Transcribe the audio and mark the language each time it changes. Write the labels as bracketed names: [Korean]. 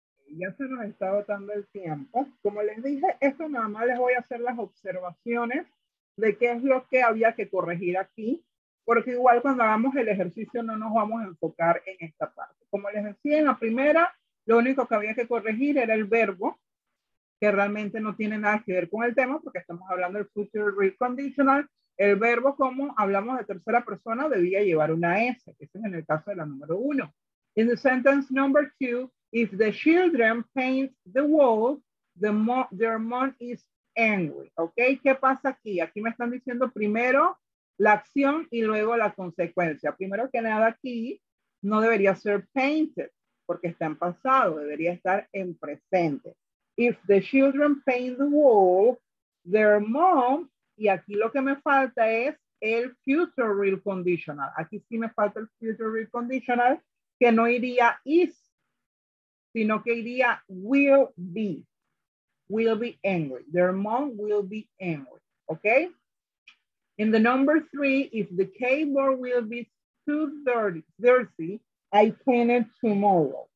[Spanish] Ya se nos está agotando el tiempo. Como les dije, esto nada más les voy a hacer las observaciones de qué es lo que había que corregir aquí, porque igual cuando hagamos el ejercicio no nos vamos a enfocar en esta parte. Como les decía, en la primera, lo único que había que corregir era el verbo, que realmente no tiene nada que ver con el tema, porque estamos hablando del future real conditional. El verbo, como hablamos de tercera persona, debía llevar una S, que es en el caso de la número uno. [English] In the sentence number two, if the children paint the wall, their mom is angry. [Spanish] ¿Ok? ¿Qué pasa aquí? Aquí me están diciendo primero la acción y luego la consecuencia. Primero que nada, aquí no debería ser painted, porque está en pasado, debería estar en presente. [English] If the children paint the wall, their mom, [Spanish] y aquí lo que me falta es el future real conditional. Aquí sí me falta el future real conditional, que no iría is, sino que iría will be. [English] Will be angry. Their mom will be angry. Okay? In the number three, if the cable will be too dirty, I clean it tomorrow.